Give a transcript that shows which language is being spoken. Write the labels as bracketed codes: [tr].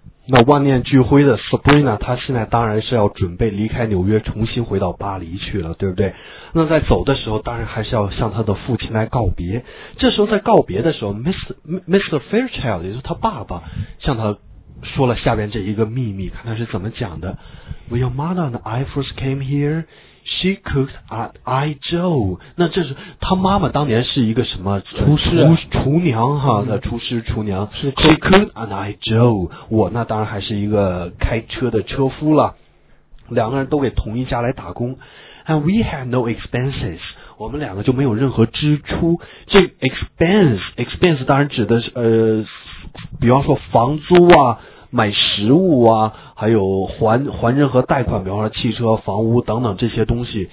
[zh] 那万念俱灰的 Sabrina， 她现在当然是要准备离开纽约，重新回到巴黎去了，对不对？那在走的时候，当然还是要向她的父亲来告别。这时候在告别的时候 ，Mr. Fairchild， 也就是她爸爸，向她说了下边这一个秘密，看他是怎么讲的。 [en] When your mother and I first came here, she cooked at I Joe。 [zh] 那这是他妈妈当年是一个什么厨师、厨娘哈？那厨师、厨娘。是 [en] she cooked at I Joe。 [zh] 我那当然还是一个开车的车夫了。两个人都给同一家来打工。 [en] And we had no expenses。 [zh] 我们两个就没有任何支出。这 expense 当然指的是比方说房租啊，买食物啊，还有还任何贷款，比方说汽车、房屋等等这些东西，